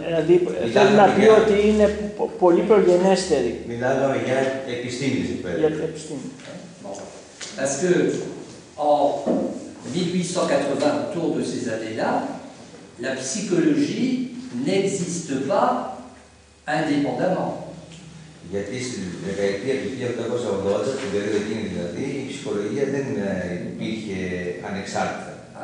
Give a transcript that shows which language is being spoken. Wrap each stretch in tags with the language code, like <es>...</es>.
<el>Δηλαδή, θέλω να πει ότι είναι πολύ προγενέστερη. Μιλάμε για επιστήμη της εκπαίδευσης.</el> <fr>Parce que en 1880, autour de ces années-là, la psychologie n'existe pas indépendamment.</fr> <el>Γιατί στην δεκαετία του 1880, την περίοδο εκείνη δηλαδή, η ψυχολογία δεν υπήρχε ανεξάρτητα.</el>